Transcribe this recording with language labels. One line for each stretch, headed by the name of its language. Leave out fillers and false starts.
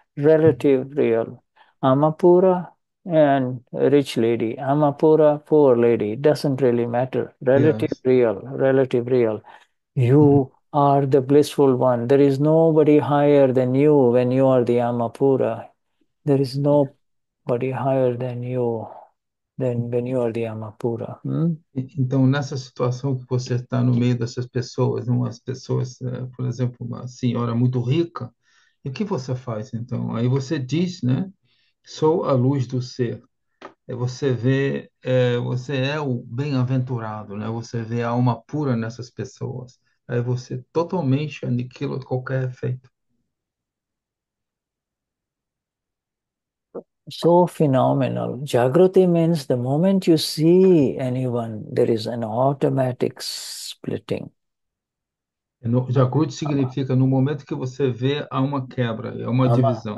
English: Relative real. Amapura. And rich lady, Amapura, poor lady, doesn't really matter. Relative real, relative real. You are the blissful one. There is nobody higher than you when you are the Amapura. There is nobody higher than you than when you are the Amapura.
Portuguese: Então, nessa situação que você está no meio dessas pessoas, umas pessoas, por exemplo, uma senhora muito rica, o que você faz então? Aí você diz, né? Sou a luz do ser. Você vê, você é o bem-aventurado, né? Você vê a alma pura nessas pessoas. Aí você totalmente aniquila qualquer efeito.
English: So phenomenal. Jagruti means the moment you see anyone, there is an automatic splitting.
Portuguese: Jagrut significa no momento que você vê, há uma quebra, é uma divisão.